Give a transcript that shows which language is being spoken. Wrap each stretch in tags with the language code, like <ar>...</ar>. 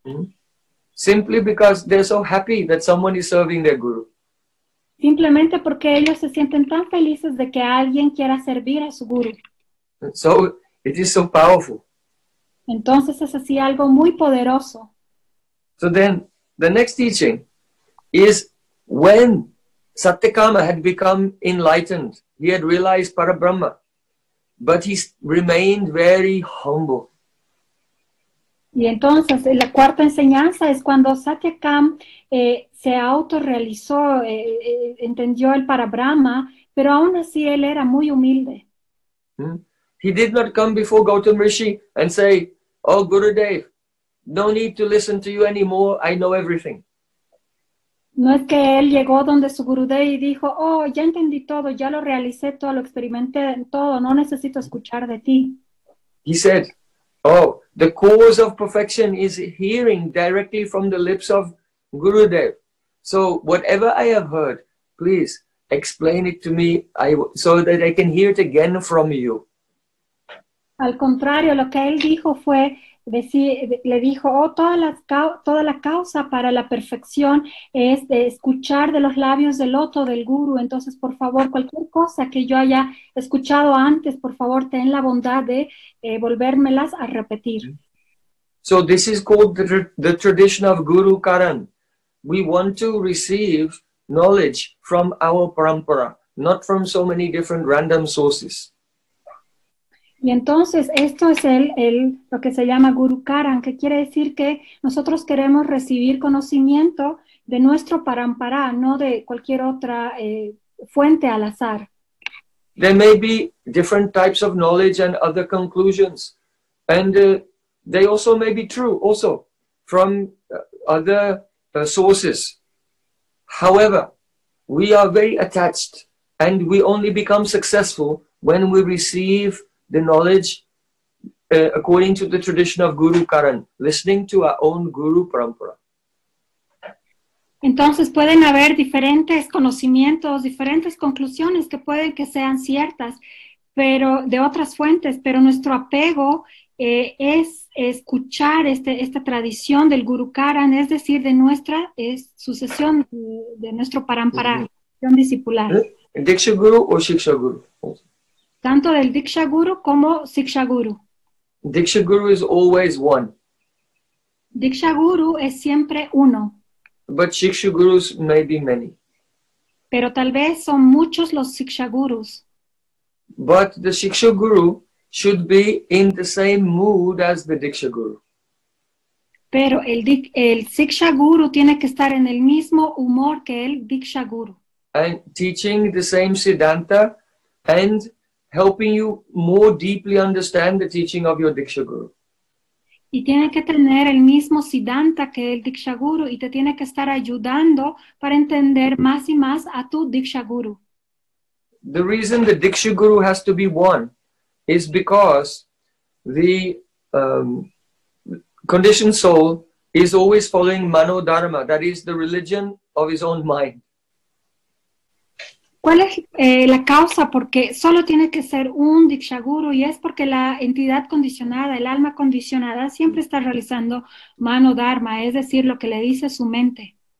<en>Mm-hmm. Simply because they're so happy that someone is serving their guru.</en> <es>Simplemente porque ellos se sienten tan felices de que alguien quiera servir a su guru.</es> <en>So it is so powerful.</en> <es>Entonces es así algo muy poderoso.</es> <en>So then the next teaching is when Satyakama had become enlightened, he had realized Parabrahma, but he remained very humble.</en> <es>Y entonces, la cuarta enseñanza es cuando Satyakam se autorrealizó, entendió el Parabrahma, pero aún así él era muy humilde.</es> <en>He did not come before Gautam Rishi and say, oh Gurudev, no need to listen to you anymore, I know everything.</en> <es>No es que él llegó donde su Gurudev y dijo, oh, ya entendí todo, ya lo realicé todo, lo experimenté todo, no necesito escuchar de ti.</es> <en>He said, oh, the cause of perfection is hearing directly from the lips of Gurudev. So whatever I have heard, please explain it to me so that I can hear it again from you.</en> <es>Al contrario, lo que él dijo fue, le dijo, oh, toda la causa para la perfección es de escuchar de los labios del loto del Guru. Entonces, por favor, cualquier cosa que yo haya escuchado antes, por favor, ten la bondad de volvérmelas a repetir.</es> <en>So this is called the tradition of Guru Karan. We want to receive knowledge from our parampara, not from so many different random sources.</en> <es>Y entonces, esto es lo que se llama Guru Karan, que quiere decir que nosotros queremos recibir conocimiento de nuestro parampara, no de cualquier otra fuente al azar.</es> <en>There may be different types of knowledge and other conclusions. And they also may be true, also, from other sources. However, we are very attached and we only become successful when we receive the knowledge according to the tradition of Guru Karan, listening to our own Guru Parampara.</en> <es>Entonces pueden haber diferentes conocimientos, diferentes conclusiones que pueden que sean ciertas, pero de otras fuentes, pero nuestro apego es escuchar esta tradición del Guru Karan, es decir, de nuestra sucesión, de nuestro Parampara, sucesión discipular. Diksha Guru o Shiksha Guru. Tanto del Diksha Guru como Siksha Guru.</es> <en>Diksha Guru is always one.</en> <es>Diksha Guru es siempre uno.</es> <en>But Siksha Gurus may be many.</en> <es>Pero tal vez son muchos los Siksha Gurus.</es> <en>But the Siksha Guru should be in the same mood as the Diksha Guru.</en> <es>Pero el Siksha Guru tiene que estar en el mismo humor que el Diksha Guru.</es> <en>And teaching the same Siddhanta and helping you more deeply understand the teaching of your Diksha Guru.</en> <es>Y tiene que tener el mismo Siddhanta que el Diksha Guru y te tiene que estar ayudando para entender más y más a tu Diksha Guru.</es> <en>the reason the Diksha Guru has to be one is because the conditioned soul is always following Mano Dharma, that is the religion of his own mind.</en> <es>¿Cuál es la causa? Porque solo tiene que ser un Diksha Guru, y es porque la entidad condicionada, el alma condicionada, siempre está realizando Mano Dharma, es decir, lo que le dice su mente.</es>